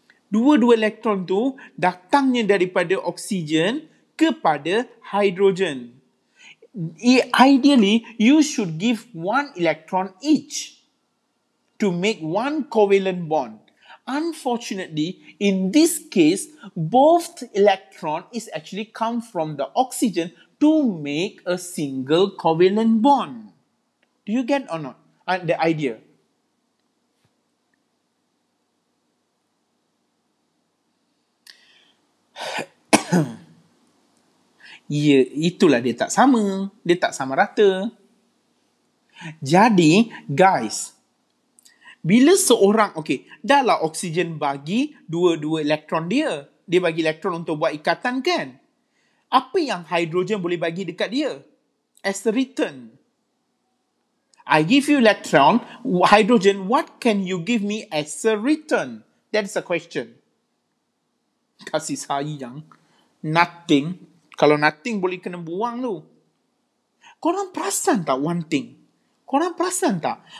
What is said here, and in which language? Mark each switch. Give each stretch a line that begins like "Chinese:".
Malay: Dua-dua elektron tu datangnya daripada oksigen kepada hidrogen.
English: Ideally, you should give one electron each to make one covalent bond. Unfortunately, in this case, both electron is actually come from the oxygen to make a single covalent bond. Do you get or not the idea?
Malay: Ya, itulah dia tak sama. Dia tak sama rata. Jadi, guys, bila seorang, okay, dah lah oksigen bagi dua-dua elektron dia. Dia bagi elektron untuk buat ikatan kan? Apa yang hidrogen boleh bagi dekat dia?
English: As a return. I give you electron, hydrogen, what can you give me as a return? That's a question.
Malay: Kasih sayang.
English: Nothing.
Malay: Kalau nothing boleh kena buang tu. Korang perasan tak
English: one thing?
Malay: Korang perasan tak?